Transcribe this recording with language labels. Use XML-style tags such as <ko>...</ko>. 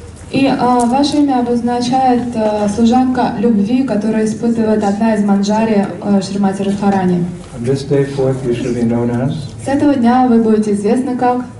<ru>И ваше имя обозначает служанка любви, которую испытывает одна из манджари Шримати Радхарани.</ru> <en>This day forth you should be known as...</en> <ru>С этого дня вы будете известны как...</ru>